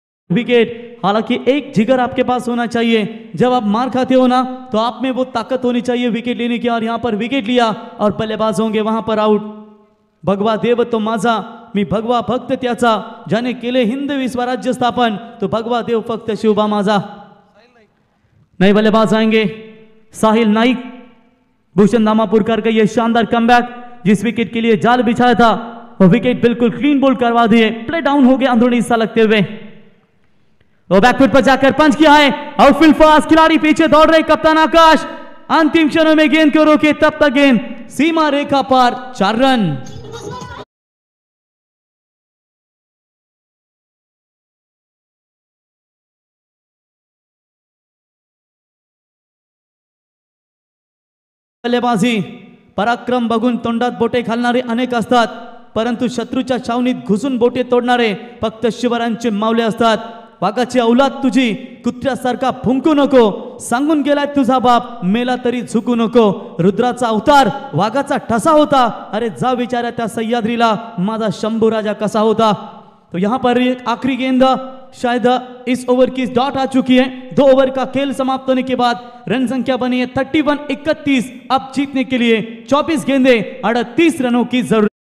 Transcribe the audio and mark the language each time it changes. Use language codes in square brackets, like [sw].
[hi] Wicket, हालांकि एक जिगर आपके पास होना चाहिए, जब आप मार खाते हो ना तो आप में वो ताकत होनी चाहिए विकेट लेने की, और यहां पर विकेट लिया और बल्लेबाज होंगे वहां पर आउट। [mr] भगवा देव तो माझा मी भगवा भक्त त्याचा जाने केले हिंद विश्व राज्य स्थापन तो भगवा देव फक्त शिवबा माझा। [hi] नहीं बल्लेबाज आएंगे साहिल नाइक, भूषण दामापुरकर का यह शानदार कमबैक, जिस विकेट के लिए जाल बिछाया था वो विकेट बिल्कुल क्लीन बोल्ड करवा दिए, प्ले डाउन हो गया अंदरूनी हिस्सा लगते हुए। वो बैकफुट पर जाकर पंच किया है, आउटफील्ड फास्ट खिलाड़ी पीछे दौड़ रहे कप्तान आकाश, अंतिम क्षणों में गेंद को रोके तब तक गेंद सीमा रेखा पार 4 रन। [mr] बल्लेबाजी पराक्रम बघून तोंडात बोटे घालणारे अनेक असतात परंतु शत्रूच्या छावणीत घुसून बोटे तोडणारे फक्त शिवरांचे मावले असतात। वाघाची औलाद तुझी कुत्र्यासारखा भुंकू नको, सांगून गेलाय तुझा बाप मेला तरी झुकू नको, रुद्राचा अवतार वाघाचा ठसा होता, अरे जा विचारा त्या सह्याद्रीला माझा शंभू राजा कसा होता। [hi] तो यहां पर एक आखिरी गेंद शायद इस ओवर की डॉट आ चुकी है, 2 ओवर का खेल समाप्त होने के बाद रन संख्या बनी है 31-31, अब जीतने के लिए 24 गेंदे 38 रनों की जरूरत।